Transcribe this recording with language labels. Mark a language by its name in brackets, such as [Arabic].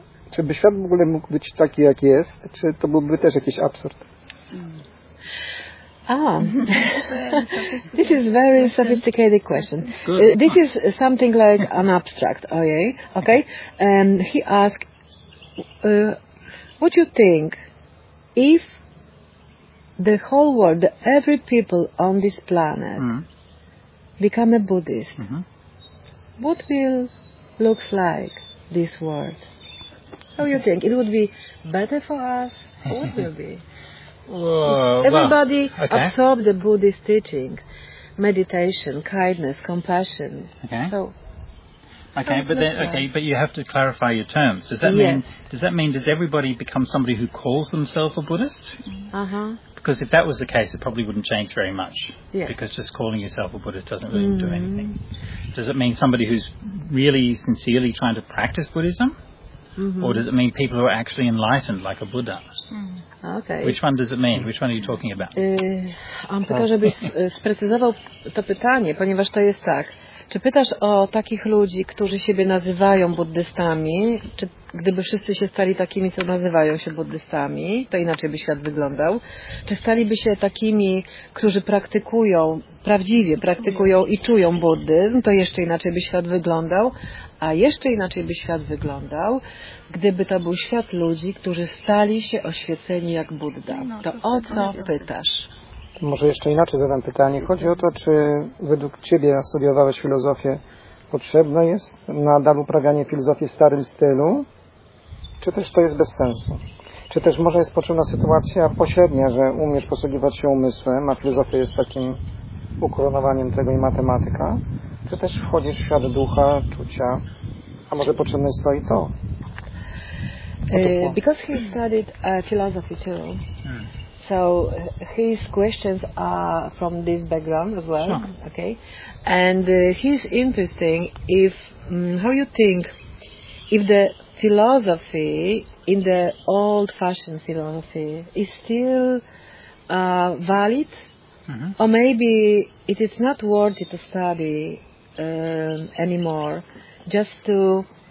[Polish] Czy by świat w ogóle mógł być taki, jak jest? Czy to byłby też jakiś absurd? [English] This is very sophisticated question. This is something like an abstract. Okay. He asked, "What you think if the whole world, every people on this planet become a Buddhist, what will look like this world? How do you think? It would be better for us? What will be? Everybody absorb the Buddhist teaching, meditation, kindness, compassion. But you have to clarify your terms. Does everybody become somebody who calls themselves a Buddhist? Because if that was the case, it probably wouldn't change very much. Yes. Because just calling yourself a Buddhist doesn't really do anything. Does it mean somebody who's really sincerely trying to practice Buddhism? Mm-hmm. Or does it mean people who are actually enlightened, like a Buddha? Okay. Which one does it mean? Which one are you talking about? [Polish] Pytał, żebyś sprecyzował to pytanie, ponieważ to jest tak. Czy pytasz o takich ludzi, którzy siebie nazywają buddystami, czy gdyby wszyscy się stali takimi, co nazywają się buddystami, to inaczej by świat wyglądał? Czy staliby się takimi, którzy praktykują, prawdziwie praktykują i czują buddyzm, to jeszcze inaczej by świat wyglądał? A jeszcze inaczej by świat wyglądał, gdyby to był świat ludzi, którzy stali się oświeceni jak Budda. To o co pytasz? Może jeszcze inaczej zadam pytanie. Chodzi o to, czy według ciebie, ja studiowałeś filozofię, potrzebne jest nadal uprawianie filozofii w starym stylu, czy też to jest bez sensu? Czy też może jest potrzebna sytuacja pośrednia, że umiesz posługiwać się umysłem, a filozofia jest takim ukoronowaniem tego i matematyka, czy też wchodzisz w świat ducha, czucia, a może potrzebne jest to i to? [English] Because he studied philosophy too. So his questions are from this background as well, okay? And he's interesting if, how you think, if the philosophy in the old-fashioned philosophy is still valid, or maybe it is not worthy to study anymore, just to